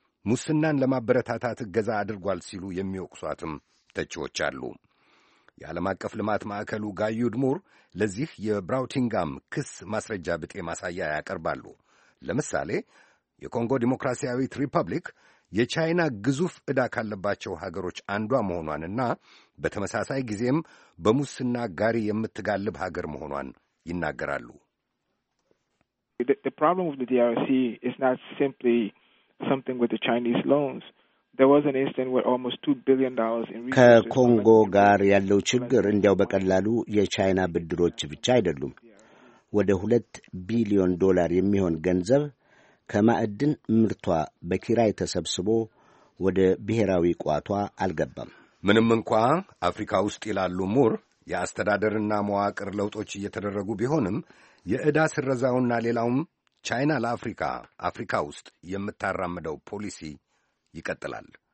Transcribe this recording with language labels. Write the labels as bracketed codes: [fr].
[am] ሙስናን ለማበረታታት እገዛ አድርጓል ሲሉ የሚወቅሷትም ተቺዎች አሉ። የዓለም አቀፍ ልማት ማዕከሉ ጋዩድ ሙር ለዚህ የብራውቲንጋም ክስ ማስረጃ ብጤ ማሳያ ያቀርባሉ። ለምሳሌ የኮንጎ ዲሞክራሲያዊት ሪፐብሊክ የቻይና ግዙፍ ዕዳ ካለባቸው ሀገሮች አንዷ መሆኗንና በተመሳሳይ ጊዜም በሙስና ጋሪ የምትጋልብ ሀገር መሆኗን ይናገራሉ። [en] The problem with the DRC is not simply something with the Chinese loans. There was an instance where almost $2 billion in resources. [am] ከኮንጎ ጋር ያለው ችግር እንዲያው በቀላሉ የቻይና ብድሮች ብቻ አይደሉም። ወደ 2 ቢሊዮን ዶላር የሚሆን ገንዘብ ከማዕድን ምርቷ በኪራይ ተሰብስቦ ወደ ብሔራዊ ቋቷ አልገባም። ምንም እንኳ አፍሪካ ውስጥ ያሉ ሙር የአስተዳደርና መዋቅር ለውጦች እየተደረጉ ቢሆንም የዕዳ ስረዛውና ሌላውም ቻይና ለአፍሪካ አፍሪካ ውስጥ የምታራምደው ፖሊሲ ይቀጥላል።